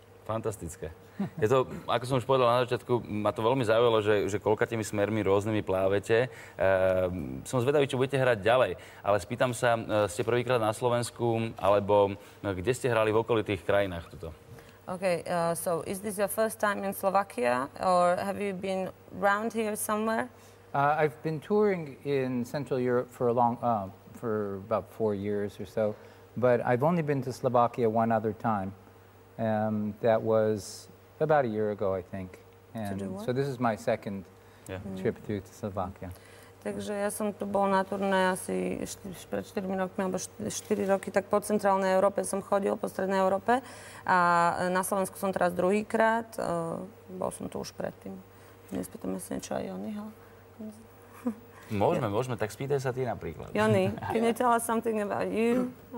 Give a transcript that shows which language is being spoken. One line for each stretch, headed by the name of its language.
Slovak: fantastické. Je to, ako som už povedal na začiatku, ma to veľmi zaujalo, že koľka tými smermi rôznymi plávete. Som zvedavý, čo budete hrať ďalej, ale spýtam sa, ste prvýkrát na Slovensku, alebo kde ste hrali v okolitých krajinách tuto?
English: Okay, so is this your first time in Slovakia, or have you been around here somewhere? I've been touring in Central Europe for a long, for about 4 years or so, but I've only been to Slovakia one other time. That was about a year ago, I think. And so this is my second trip through to Slovakia.
Slovak: Takže ja som tu bol na turné asi pred 4 rokmi, alebo 4 roky, tak po centrálnej Európe som chodil, po strednej Európe. A na Slovensku som teraz druhýkrát, bol som tu už predtým. Nespýtame sa niečo aj Joniho. Môžeme, môžeme, tak spýtaj sa ty napríklad.
English: Joni, can you tell us something about you?